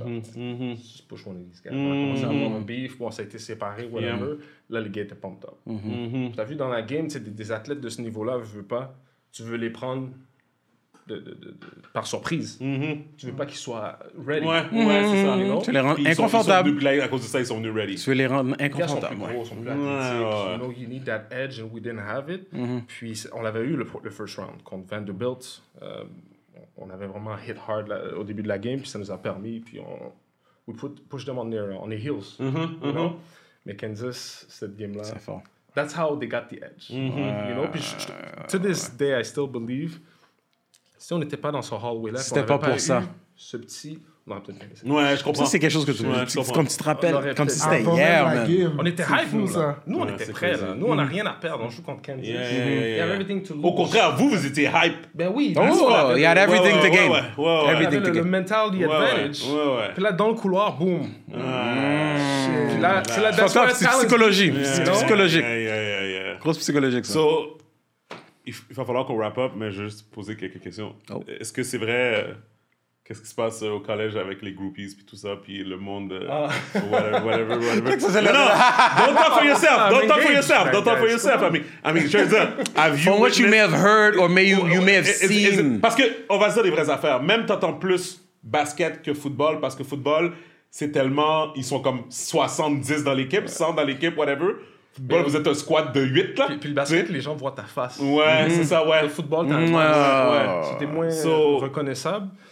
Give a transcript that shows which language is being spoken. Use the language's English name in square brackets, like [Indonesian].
[English] up. Just push one of these guys. [French] On a commencé à avoir un beef. Bon, ça a été séparé, whatever. [English] Yeah. [French] Là, les gars étaient pumped up. Mm-hmm. T'as vu dans la game, tu sais, des athlètes de ce niveau-là, je veux pas. Tu veux les prendre par surprise. Mm-hmm. Tu veux pas qu'ils soient ready. Ouais, mm-hmm. Ouais, c'est ça. Mm-hmm. Non? Tu les rends inconfortables. Ils sont venus, à cause de ça, ils sont venus ready. Tu veux les rendre inconfortables. Ils sont plus gros, ils sont plus athlétiques. Ouais. [English] You know, you need that edge and we didn't have it. Mm-hmm. [French] Puis, on l'avait eu le first round contre Vanderbilt. On avait vraiment [English] hit hard [French] au début de la game, puis ça nous a permis. [English] Puis, we push them on their heels. Mm-hmm. You know? [French] Mais Kansas, cette game-là, c'est fort. [English] That's how they got the edge. Mm-hmm. You know? Puis, to this day, I still believe. [French] Si on n'était pas dans ce hallway-là, c'était pas pour ça. Ce petit. Non, peut-être pas. Ouais, je comprends. Ça, c'est quelque chose que tu. Ouais, c'est comme tu te rappelles, comme si c'était hier, man. On était c'est hype, fou, nous, là. Nous, ouais, on était prêts, là. Nous, on n'a rien à perdre. On joue contre Kansas. [English] Yeah. We have everything to lose. [French] Au contraire, vous étiez hype. Ben oui. [English] Oh, you had everything to gain. [French] Ouais. [English] Everything to gain. [French] Le [English] mentality advantage. [French] Puis là, dans le couloir, boum. C'est la dernière fois. C'est psychologie. Psychologique. Grosse psychologique, ça. Il va falloir qu'on [English] wrap up, [French] mais je vais juste poser quelques questions. Oh. Est-ce que c'est vrai, qu'est-ce qui se passe au collège avec les groupies puis tout ça, puis le monde, whatever. Non, [English] don't talk for yourself, don't talk for yourself, don't talk for yourself. I mean, [French] je veux dire, [English] have you from what you may have heard or may you may have seen. [French] Parce qu'on va se dire les vraies affaires, même t'entends plus basket que football, parce que football, c'est tellement, ils sont comme 70 dans l'équipe, 100 dans l'équipe, whatever. Football, vous êtes un squad de 8, là. Puis le basket, les gens voient ta face. Ouais, c'est ça, ouais. Le football, t'as un c'était moins reconnaissable.